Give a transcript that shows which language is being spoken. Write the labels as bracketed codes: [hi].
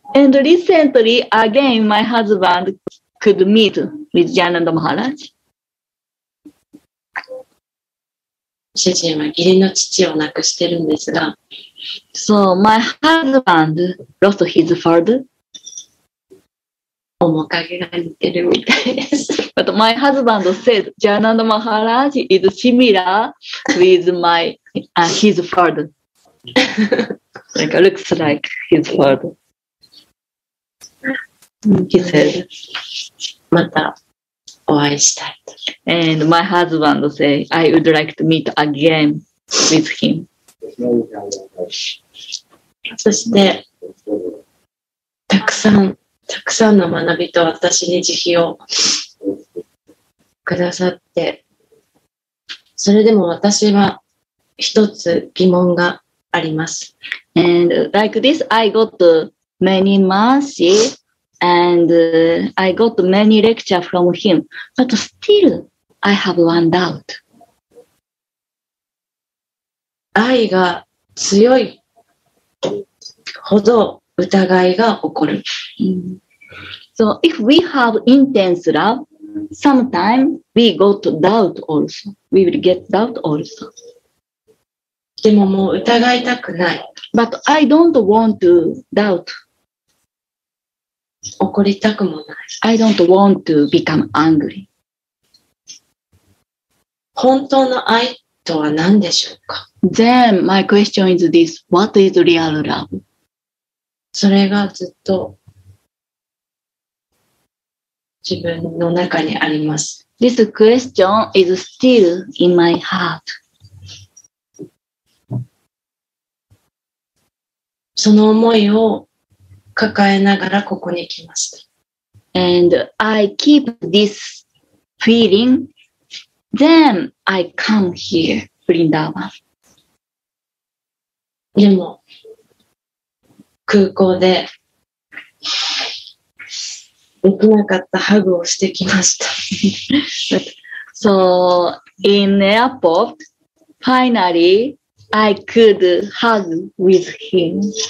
[en] And recently, again, my husband could meet with ジャーナンダ・マハラージ。 [ja] 主人は義理の父を亡くしてるんですが、 [en] So my husband lost his father. [ja] 面影が似てるみたいです。 [en] But my husband said, Jananda Maharaj is similar with my, his father. Like, looks like his father. He said, [ja] またお会いしたいと。 [en] And my husband said, I would like to meet again with him. [ja] そして、たくさんの学びと私に慈悲をくださって、それでも私は一つ疑問があります。 [en] And like this, I got many mercy and I got many lecture from him, but still I have one doubt. [ja] 愛が強いほど疑いが起こる。 [en] So if we have intense love, sometimes we go to doubt also. We will get doubt also. [ja] でももう疑いたくない。 [en] But I don't want to doubt. [ja] 怒りたくもない。 [en] I don't want to become angry. [ja] 本当の愛とは何でしょうか? [en] Then my question is this. What is real love? [ja] それがずっと自分の中にあります。 [en] This question is still in my heart. [ja] その思いを抱えながらここに来ました。 [en] And I keep this feeling, then I come here, Vrindavan. [ja] でも、空港でできなかったハグをしてきました。 [en] So, in airport, finally, I could hug with him.